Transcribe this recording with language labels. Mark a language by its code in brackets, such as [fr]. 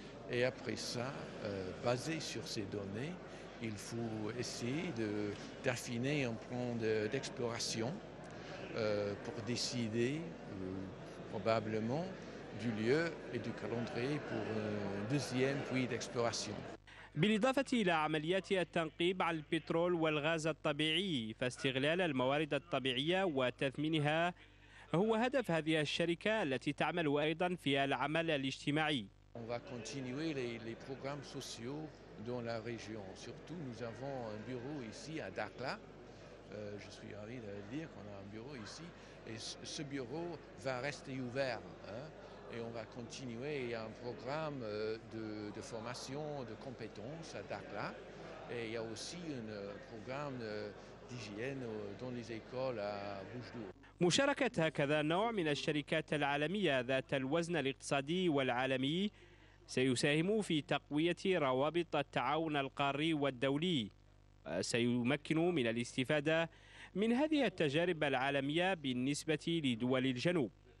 [fr] Et après ça, basé sur ces données, il faut essayer d'affiner un plan d'exploration pour décider probablement du lieu et du calendrier pour un deuxième puits d'exploration. [ar] بالإضافة إلى عمليات التنقيب على البترول والغاز الطبيعي، فاستغلال الموارد الطبيعية وتثمينها هو هدف هذه الشركة التي تعمل أيضا في العمل الاجتماعي. [fr] On va continuer les programmes sociaux dans la région. Surtout, nous avons un bureau ici à Dakhla. Je suis ravi de dire qu'on a un bureau ici. Et ce bureau va rester ouvert. Et on va continuer un programme de formation de compétences à Dakhla. Et il y a aussi un programme d'hygiène dans les écoles à Boujdour. [ar] مشاركة هكذا نوع من الشركات العالمية ذات الوزن الاقتصادي والعالمي سيساهم في تقوية روابط التعاون القاري والدولي، سيمكن من الاستفادة من هذه التجارب العالمية بالنسبة لدول الجنوب.